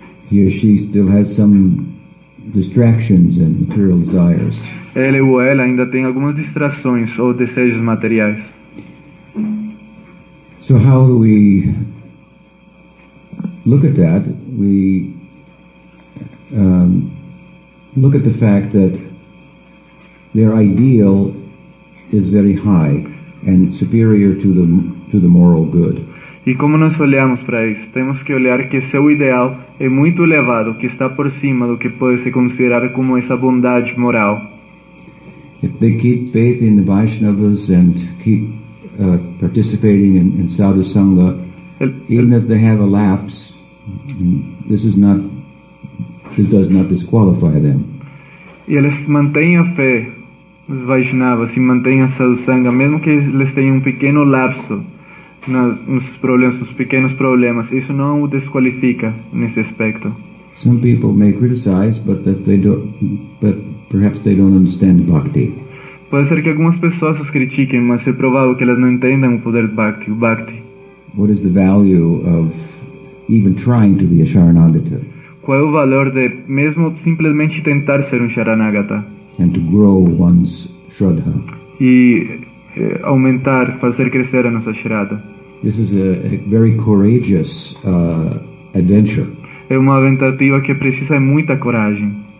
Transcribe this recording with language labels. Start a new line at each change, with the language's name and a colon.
English: He or she still has some distractions and material desires.
Portuguese: Ele ou ela ainda tem algumas distrações ou desejos materiais.
English: So how do we look at that? We look at the fact that their ideal is very high and superior to the moral good.
Portuguese: E como nós olhamos para isso? Temos que olhar que seu ideal é muito elevado, que está por cima do que pode ser considerado como essa bondade moral.
English: If they keep faith in the Vaishnavas and keep participating in sadhu sangha, even if they have a lapse, this does not disqualify them.
Portuguese: E eles mantêm a fé, os Vaishnavas, e mantêm a sadhu sangha, mesmo que eles tenham um pequeno lapso nos problemas, nos pequenos problemas, isso não o desqualifica nesse aspecto.
English: Some people may criticize, but perhaps they don't understand bhakti.
Portuguese: Pode ser que algumas pessoas os critiquem, mas é provável que elas não entendam o poder de bhakti, o bhakti.
English: What is the value of even trying to be a sharanagata?
Portuguese: Qual é o valor de mesmo simplesmente tentar ser sharanagata?
English: And to grow one's shraddha.
Portuguese: E aumentar, fazer crescer a nossa shraddha.
English: This is a very courageous adventure.
Portuguese: É uma aventativa que precisa de muita coragem.